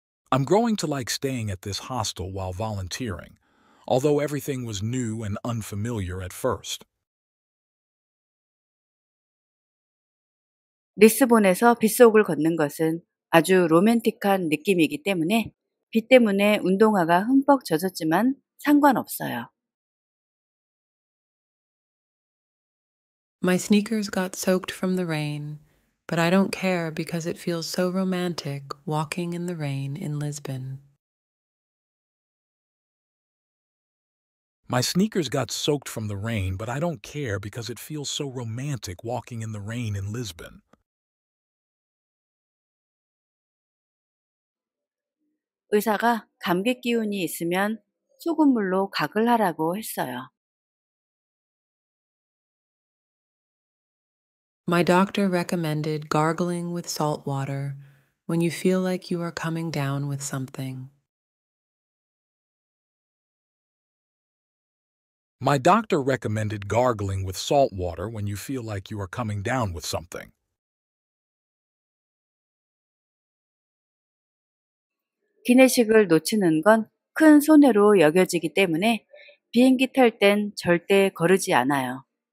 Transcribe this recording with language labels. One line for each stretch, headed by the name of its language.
English: I'm growing to like staying at this hostel while volunteering, although everything was new and unfamiliar at first.
Korean: 리스본에서 빗속을 걷는 것은 아주 로맨틱한 느낌이기 때문에 비 때문에 운동화가 흠뻑 젖었지만 상관없어요.
English: My sneakers got soaked from the rain, but I don't care because it feels so romantic walking in the rain in Lisbon. My sneakers got soaked from the rain, but I don't care because it feels so romantic walking in the rain in Lisbon.
Korean: 의사가 감기 기운이 있으면 소금물로 각을 하라고 했어요.
English: My doctor recommended gargling with salt water when you feel like you are coming down with something. My doctor recommended gargling with salt water when you feel like you are coming down with something.
Korean: 기내식을 놓치는 건 큰 손해로 여겨지기 때문에 비행기 탈 땐 절대 거르지 않아요.